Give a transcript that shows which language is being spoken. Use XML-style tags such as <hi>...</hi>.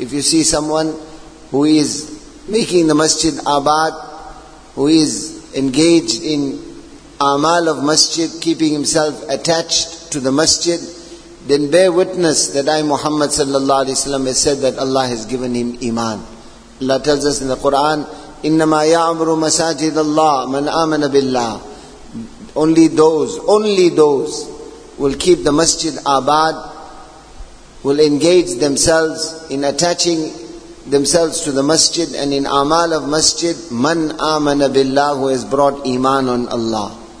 <en>If you see someone who is making the masjid abad, who is engaged in amal of masjid, keeping himself attached to the masjid, then bear witness that I, Muhammad sallallahu alaihi wasallam, has said that Allah has given him iman.</en> <ar>Allah tells us in the Quran, إِنَّمَا يَعْمُرُ مَسَاجِدَ اللَّهِ مَنْ آمَنَ بِاللَّهِ.</ar> <en>Only those will keep the masjid abad, will engage themselves in attaching themselves to the masjid and in amal of masjid,</en> <ar>man amana billah,</ar> <en>who has brought iman on Allah.</en>